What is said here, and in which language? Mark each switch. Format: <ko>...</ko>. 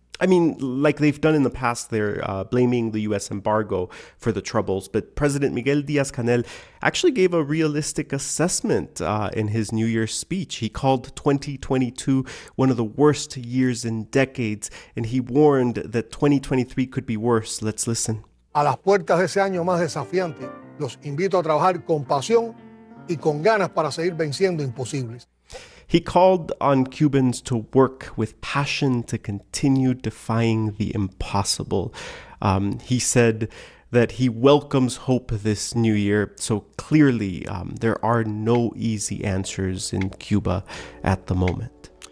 <en>I mean, like they've done in the past, they're blaming the U.S. embargo for the troubles. But President Miguel Díaz-Canel actually gave a realistic assessment in his New Year's speech. He called 2022 one of the worst years in decades, and he warned that 2023 could be worse. Let's listen.</en> <es>A las puertas de ese año más desafiante, los invito a trabajar con pasión y con ganas para seguir venciendo imposibles.</es> <en>He called on Cubans to work with passion to continue defying the impossible. He said, that he welcomes hope this new year. So clearly, there are no easy answers in Cuba at the moment.</en>